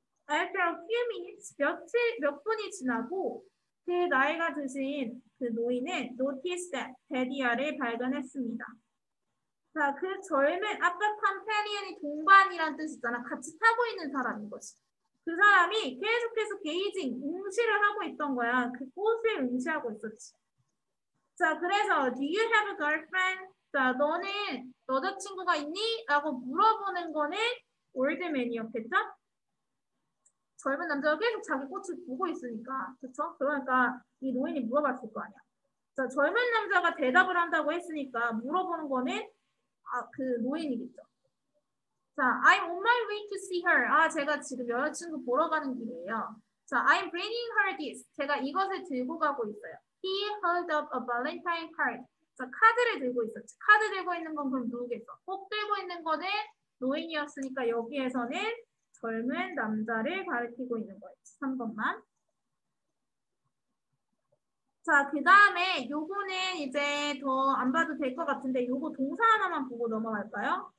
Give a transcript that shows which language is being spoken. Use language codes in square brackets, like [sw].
[en] After a few minutes, [ko] 몇 분이 지나고 그 나이가 드신 그 노인은 notice that 데디아를 발견했습니다. 자, 그 젊은 아까 컴패니언이 동반이란 뜻이잖아. 같이 타고 있는 사람인 거지. 그 사람이 계속해서 게이징, 응시를 하고 있던 거야. 그 꽃을 응시하고 있었지. [en] 자, 그래서 Do you have a girlfriend? [ko] 자, 너는 여자친구가 있니? 라고 물어보는 거는 올드맨이었겠죠? 젊은 남자가 계속 자기 꽃을 보고 있으니까, 그쵸? 그러니까 이 노인이 물어봤을 거 아니야. 자, 젊은 남자가 대답을 한다고 했으니까 물어보는 거는 그 노인이겠죠. [en] 자, I'm on my way to see her. [ko] 아, 제가 지금 여자친구 보러 가는 길이에요. [en] 자, I'm bringing her this. [ko] 제가 이것을 들고 가고 있어요. [en] He held up a Valentine card. [ko] 자, 카드를 들고 있었지. 카드 들고 있는 건 그럼 누구겠어? 꼭 들고 있는 거는 노인이었으니까 여기에서는 젊은 남자를 가리키고 있는 거예요. 3번만. 자, 그 다음에 요거는 이제 더안 봐도 될것 같은데 요거 동사 하나만 보고 넘어갈까요?